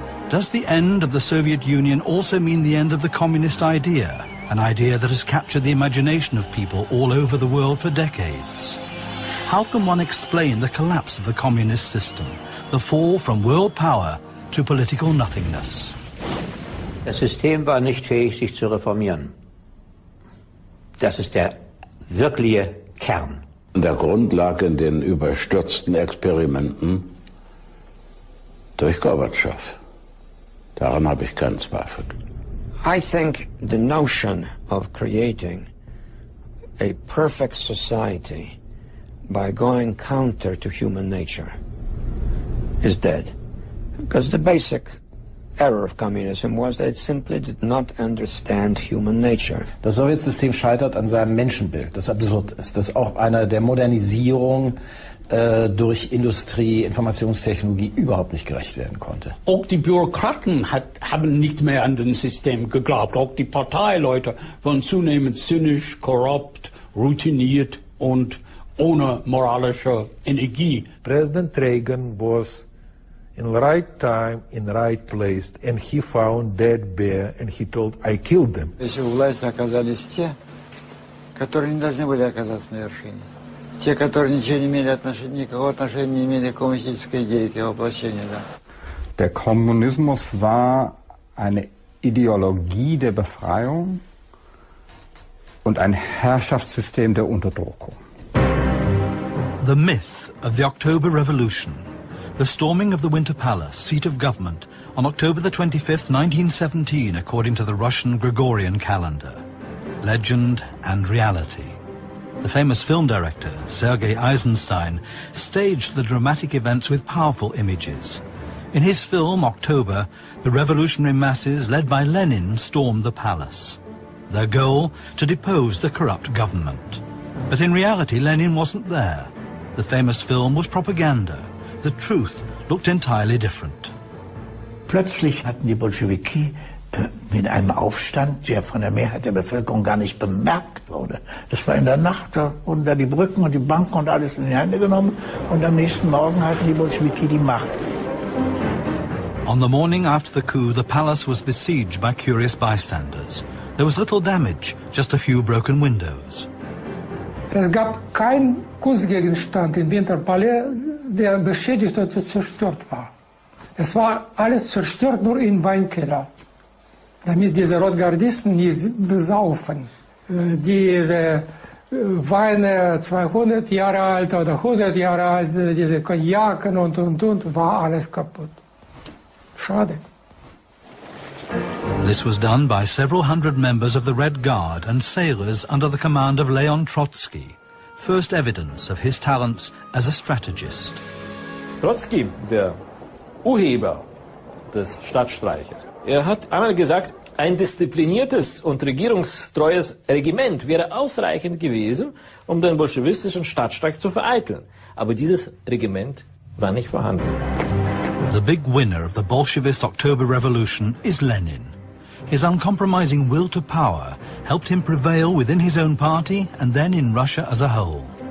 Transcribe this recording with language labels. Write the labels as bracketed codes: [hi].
[en] Does the end of the Soviet Union also mean the end of the communist idea? An idea that has captured the imagination of people all over the world for decades. How can one explain the collapse of the communist system, the fall from world power to political nothingness? [de] Das System war nicht fähig, sich zu reformieren. Das ist der wirkliche Kern. Der Grund lag in den überstürzten Experimenten durch Gorbatschow. Daran habe ich keinen Zweifel. [en] I think the notion of creating a perfect society by going counter to human nature is dead. Because the basic error of communism was that it simply did not understand human nature. [de] Das Sowjetsystem scheitert an seinem Menschenbild, das absurd ist, das auch einer der Modernisierung durch Industrie, Informationstechnologie überhaupt nicht gerecht werden konnte. Auch die Bürokraten haben nicht mehr an das System geglaubt. Auch die Parteileute waren zunehmend zynisch, korrupt, routiniert und ohne moralische Energie. [en] President Reagan was in right time, in right place, and he found dead bear and he told, I killed them. [ru] Если у власти оказались те, которые не должны были оказаться на вершине. Те, которые ничего не имели отношения, никакого отношения не имели к коммунистической идее, к воплощению, да. [de] Der Kommunismus war eine Ideologie der Befreiung und ein Herrschaftssystem der Unterdrückung. [en] The myth of the October Revolution. The storming of the Winter Palace, seat of government, on October the 25th, 1917, according to the Russian Gregorian calendar. Legend and reality. The famous film director, Sergei Eisenstein, staged the dramatic events with powerful images. In his film, October, the revolutionary masses led by Lenin stormed the palace. Their goal, to depose the corrupt government. But in reality, Lenin wasn't there. The famous film was propaganda. The truth looked entirely different. [de] Plötzlich hatten die Bolschewiki mit einem Aufstand, der von der Mehrheit der Bevölkerung gar nicht bemerkt wurde. Das war in der Nacht, da wurden da die Brücken und die Banken und alles in die Hände genommen und am nächsten Morgen hatten die Bolschewiki die Macht. [en] On the morning after the coup, the palace was besieged by curious bystanders. There was little damage, just a few broken windows. [de] Es gab keinen Kunstgegenstand im Winterpalais, der beschädigt oder zerstört war. Es war alles zerstört, nur im Weinkeller. Damit diese Rotgardisten nicht besaufen, diese Weine 200 Jahre alt oder 100 Jahre alt, diese Kognaken und, war alles kaputt. Schade. [en] This was done by several hundred members of the Red Guard and sailors under the command of Leon Trotsky, first evidence of his talents as a strategist. [de] Trotsky, der Urheber des Stadtstreiches, hat einmal gesagt, ein diszipliniertes und regierungstreues Regiment wäre ausreichend gewesen, den bolschewistischen Stadtstreich zu vereiteln. Aber dieses Regiment war nicht vorhanden. [en] The big winner of the Bolshevist October Revolution is Lenin. His uncompromising will to power helped him prevail within his own party and then in Russia as a whole.